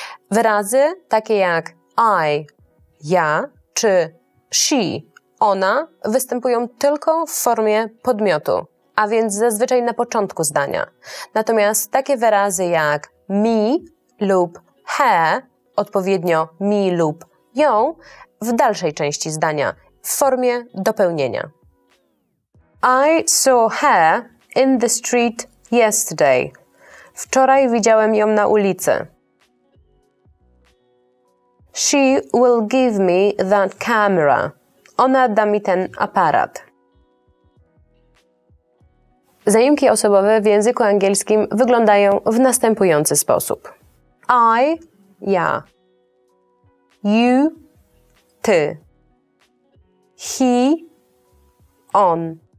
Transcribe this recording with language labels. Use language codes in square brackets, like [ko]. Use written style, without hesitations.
[pl] Wyrazy takie jak I – ja, czy she – ona występują tylko w formie podmiotu, a więc zazwyczaj na początku zdania. Natomiast takie wyrazy jak me lub he, odpowiednio me lub ją, w dalszej części zdania – w formie dopełnienia. [en] I saw her in the street yesterday. [pl] Wczoraj widziałem ją na ulicy. [en] She will give me that camera. [pl] Ona da mi ten aparat. Zaimki osobowe w języku angielskim wyglądają w następujący sposób. [en] I, [pl] ja. [en] You, [pl] ty. [en] He, [pl] on.